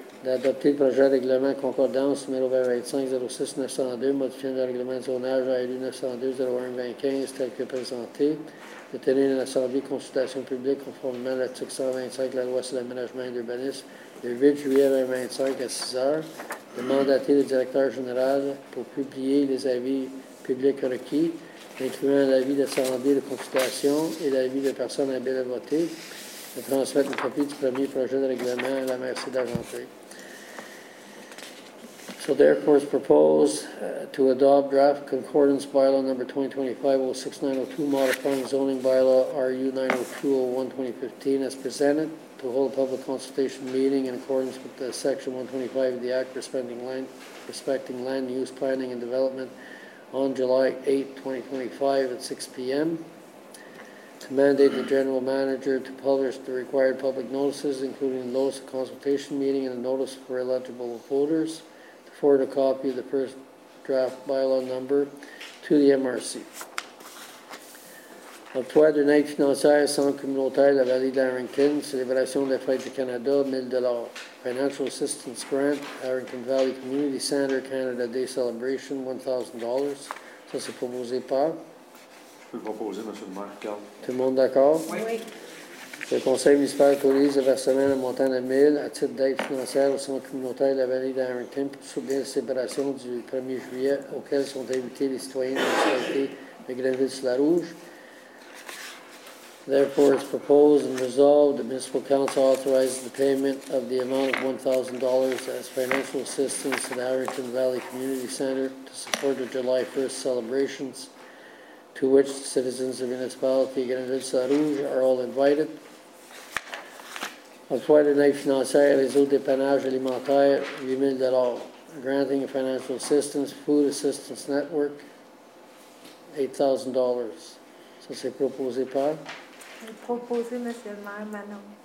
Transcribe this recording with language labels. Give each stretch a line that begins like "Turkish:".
French: D'adopter le projet de règlement concordance numéro 2025-06-902, modifiant le règlement de zonage RU-902-0125 tel que présenté, de tenir une assemblée de consultation publique conformément à l'article 125 de la loi sur l'aménagement et l'urbanisme, le 8 juillet 2025 à 6 heures, de mandater le directeur général pour publier les avis publics requis, incluant l'avis d'assemblée de consultation et l'avis de personnes habiles à voter, de transmettre une copie du premier projet de règlement à la Merci d'Argenteuil.
English: So therefore, it's proposed to adopt draft concordance bylaw number 2025-06-902, modifying zoning bylaw RU-902-01-2015 as presented, to hold a public consultation meeting in accordance with the Section 125 of the Act respecting land use planning and development on July 8, 2025 at 6 p.m. to mandate the general manager to publish the required public notices, including the notice of consultation meeting and the notice for eligible voters, forward a copy of the first draft bylaw number to the MRC.
French: Emploi d'une aide financière sans communautaire de la vallée de l'Arrington, célébration des fêtes du Canada, 1 000 $.
English: Financial assistance grant, Arrington Valley Community Center, Canada Day Celebration, $1,000.
French: Ça, c'est proposé par? Je peux proposer, M. le maire, Carl. Tout le monde d'accord? Oui. Le conseil municipal autorise le versement d'un montant de 1 000 à titre d'aide financière au centre communautaire de la vallée d'Arrington pour soutenir la célébration du 1er juillet auquel sont invités les citoyens de la société de Grenville-sur-la-Rouge.
English: Therefore, it's proposed and resolved the municipal council authorizes the payment of the amount of $1,000 as financial assistance to the Arrington Valley Community Center to support the July 1st celebrations, to which the citizens of the municipality of Grenville-sur-la-Rouge are all invited.
French: Emploi d'une aide financière et réseau d'épanage alimentaire, 8 000 $.
English: Granting financial assistance, Food Assistance Network, $8,000.
French: Ça, c'est proposé par? Proposé, M. le maire, Manon.